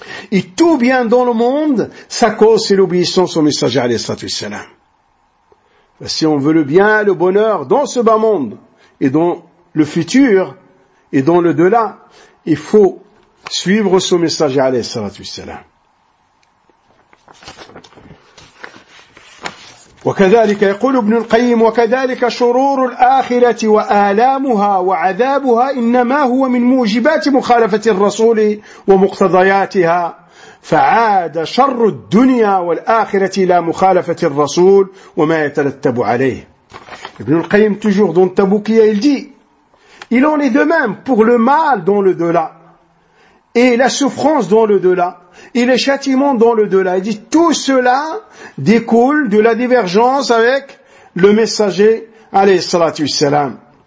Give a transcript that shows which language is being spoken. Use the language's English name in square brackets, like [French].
[French] Et tout bien dans le monde, sa cause, c'est l'obéissance au messager alayhi salatu wassalam. Si on veut le bien, le bonheur dans ce bas monde et dans le futur et dans le delà, il faut suivre ce messager alayhi salatu wassalam. [Arabic] وكذلك يقول ابن القيم وكذلك شرور الآخرة وآلامها وعذابها إنما هو من موجبات مخالفة الرسول ومقتضياتها فعاد شر الدنيا والآخرة إلى مخالفة الرسول وما يترتب عليه. [French] ابن القيم toujours dans Tabouki, il dit, il en est de même pour le mal dans le delà et la souffrance dans le delà et les châtiments dans le delà. Il dit, tout cela découle de la divergence avec le messager, alayhi salatu wassalam.